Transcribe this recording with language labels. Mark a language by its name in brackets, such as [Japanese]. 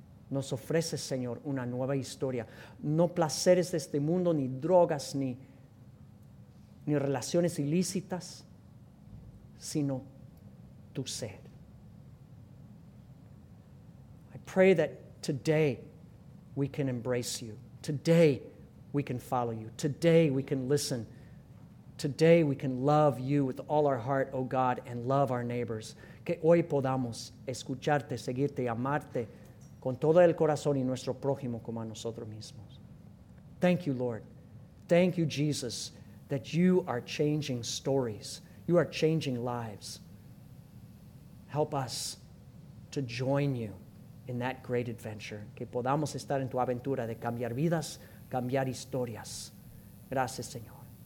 [Spanish] Nos ofreces, Señor, una nueva historia. No placeres de este mundo, ni drogas, ni relaciones ilícitas, sino tu sed. [English] I pray that today we can embrace you. Today we can follow you. Today, we can listen. Today, we can love you with all our heart, O God, and love our neighbors. [Spanish] Que hoy podamos escucharte, seguirte, amarte con todo el corazón y nuestro prójimo como a nosotros mismos. [English] Thank you, Lord. Thank you, Jesus, that you are changing stories. You are changing lives. Help us to join you in that great adventure. [Spanish] Que podamos estar en tu aventura de cambiar vidas, cambiar historias. Gracias, Señor.